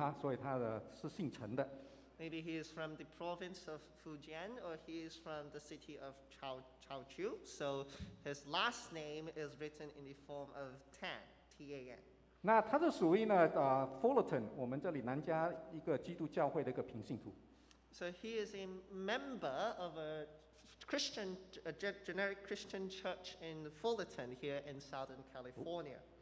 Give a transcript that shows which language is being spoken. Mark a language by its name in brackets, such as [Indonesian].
[Chinese] 所以应该是潮州人或者是福建人，所以他是姓陈的。Maybe [English] he is from the province of Fujian, or he is from the city of Chaozhou. So his last name is written in the form of Tan, T-A-N. [Chinese] 那他是属于呢，Fullerton， 我们这里南加一个基督教会的一个平信徒。So [English] he is a member of a Christian, a generic Christian church in Fullerton here in Southern California.